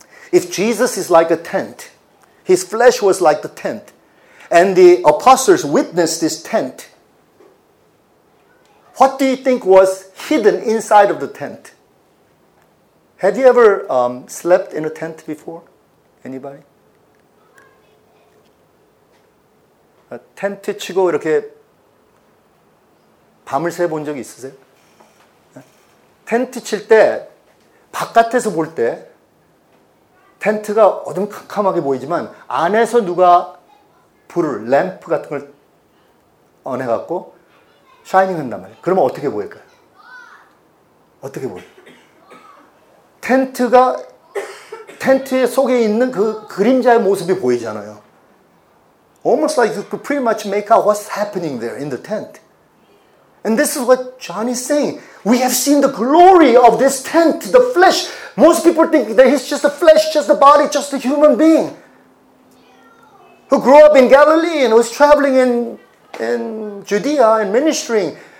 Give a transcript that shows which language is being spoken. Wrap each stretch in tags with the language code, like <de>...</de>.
<en>If Jesus is like a tent, his flesh was like the tent, and the apostles witnessed this tent, what do you think was hidden inside of the tent? Have you ever slept in a tent before? Anybody?</en> <ko>텐트 치고 이렇게 밤을 새본 적 있으세요? 텐트 칠 때 바깥에서 볼 때 텐트가 어둠캄캄하게 보이지만 안에서 누가 불을 램프 같은 걸 꺼내갖고 샤이닝 한단 말이에요. 그러면 어떻게 보일까요? 어떻게 보여요? 텐트가 텐트 속에 있는 그 그림자의 모습이 보이잖아요.</ko> <en>Almost like you could pretty much make out what's happening there in the tent. And this is what John is saying. We have seen the glory of this tent, the flesh. Most people think that he's just a flesh, just a body, just a human being who grew up in Galilee and was traveling in Judea and ministering.</en>